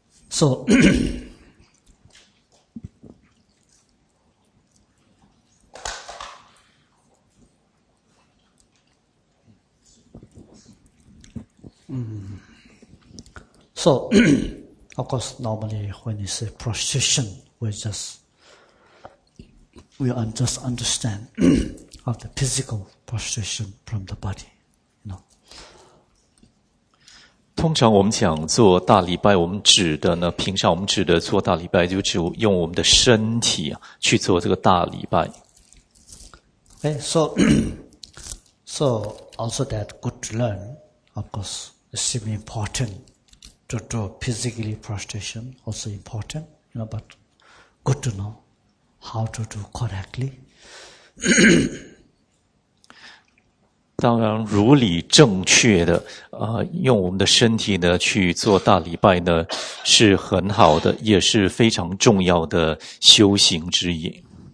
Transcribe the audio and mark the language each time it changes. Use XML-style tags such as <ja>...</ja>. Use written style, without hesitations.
<en>So, So, of course, normally when you say prostration, we just understand of the physical prostration from the body, you know.</en> <zh>通常我们讲做大礼拜，我们指的呢，平常我们指的做大礼拜，就只有用我们的身体去做这个大礼拜。</zh> <en>Okay, so also that good to learn, of course, it seems important. To do physically prostration also important, you know, but good to know how to do correctly.</en> <zh>当然，如理正确的，用我们的身体呢去做大礼拜呢，是很好的，也是非常重要的修行之一。</zh>